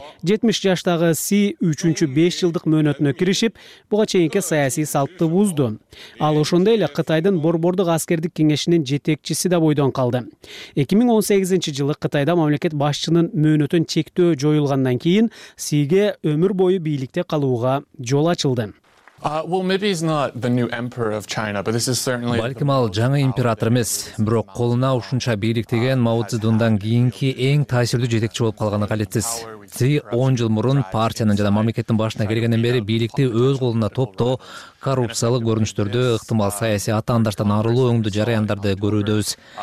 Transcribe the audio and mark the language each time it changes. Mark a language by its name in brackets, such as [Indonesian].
[Kyrgyz] 70 жаштагы Си 3-чү 5 жылдык мөөнөтүнө киришип, буга чейинки саясий салтты бузду. Ал ошондой эле Кытайдын борбордук аскердик кеңешинин жетекчиси да бойдон калды. 2018 жылы Кытайда мамлекет башчынын мөөнөтүн чектөө жоюлгандан кийин Сиге өмүр бою бийликте калууга жол ачылды. [English] Well, maybe he's not the new emperor of China, but this is certainly... [Kyrgyz] Балким ал жаңы император эмес, бирок колуна ушунча бийлик тийген Мао Цзэдундан кийинки эң таасирдүү жетекчи болуп калганы калетсиз. Си 10 жыл мурун партиянын жана мамлекеттин башына келгенден бери бийликти өз колунда топтоо, коррупциялык көрүнүштөрдү, ыктымал саясий атаандаштан арылуу өңдүү жараяндарды көрүүдөбүз.